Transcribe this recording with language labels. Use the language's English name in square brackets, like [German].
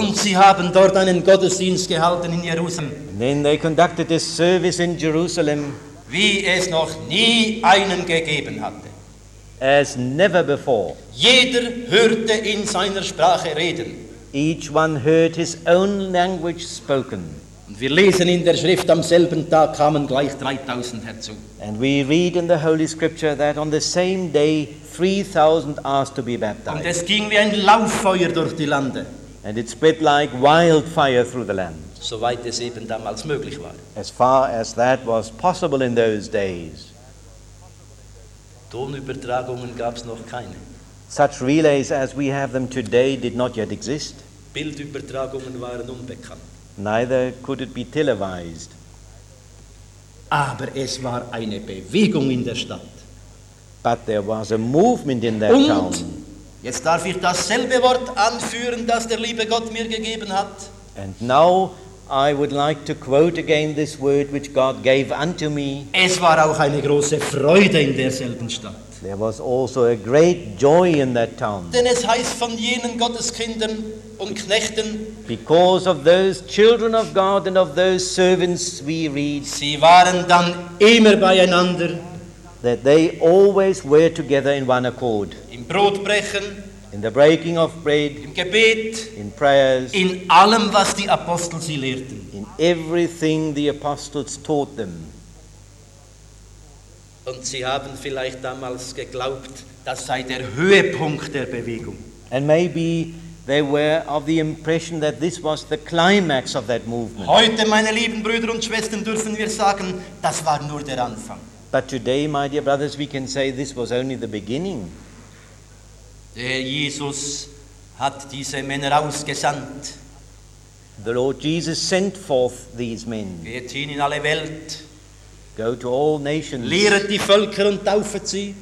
[German] Und sie haben dort einen Gottesdienst gehalten in Jerusalem. [English] And then they conducted a service in Jerusalem. [German] Wie es noch nie einen gegeben hatte. [English] As never before. [German] Jeder hörte in seiner Sprache reden. [English] Each one heard his own language spoken. [German] Und wir lesen in der Schrift, am selben Tag kamen gleich 3000 herzu. [English] And we read in the Holy Scripture that on the same day 3000 asked to be baptized. [German] Und es ging wie ein Lauffeuer durch die Lande. [English] And it spread like wildfire through the land. [German] Soweit es eben damals möglich war. [English] As far as that was possible in those days. [German] Tonübertragungen gab es noch keine. [English] Such relays as we have them today did not yet exist. [German] Bildübertragungen waren unbekannt. [English] Neither could it be televised. [German] Aber es war eine Bewegung in der Stadt. [English] But there was a movement in that town. [German] Jetzt darf ich dasselbe Wort anführen, das der liebe Gott mir gegeben hat. [English] And now I would like to quote again this word which God gave unto me. [German] Es war auch eine große Freude in derselben Stadt. [English] There was also a great joy in that town. [German] Denn es heißt von jenen Gotteskindern und Knechten. [English] Because of those children of God and of those servants we read. [German] Sie waren dann immer beieinander. [English] That they always were together in one accord. [German] Im Brotbrechen. [English] In the breaking of bread, [German] im Gebet, [English] in prayers, [German] in allem, was die Apostel sie lehrten, [English] in everything the apostles taught them. [German] Und sie haben vielleicht damals geglaubt, das sei der Höhepunkt der Bewegung. [English] And maybe they were of the impression that this was the climax of that movement. [German] Heute, meine lieben Brüder und Schwestern, dürfen wir sagen, das war nur der Anfang. [English] But today, my dear brothers, we can say this was only the beginning. [German] Der Jesus hat diese Männer ausgesandt. [English] The Lord Jesus sent forth these men. [German] Geht hin in alle Welt. [English] Go to all nations. [German] Lehret die Völker und taufet sie.